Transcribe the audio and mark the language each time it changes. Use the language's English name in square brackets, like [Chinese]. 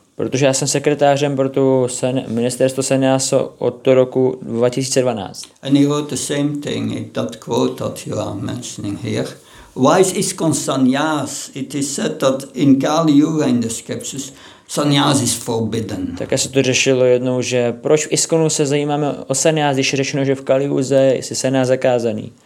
[Czech] Protože já jsem sekretářem pro tu ministerstvo sannyasa od roku 2012. [English] And he wrote the same thing in that quote that you are mentioning here. Why is sannyas? It is said that in Kali Yuga in the scriptures sannyas is forbidden. [Czech] Tak se to řešilo jednou, že proč v Iskonu se zajímáme o sannyas, když je řečeno, že v Kali Yuze je sannyas zakázaný.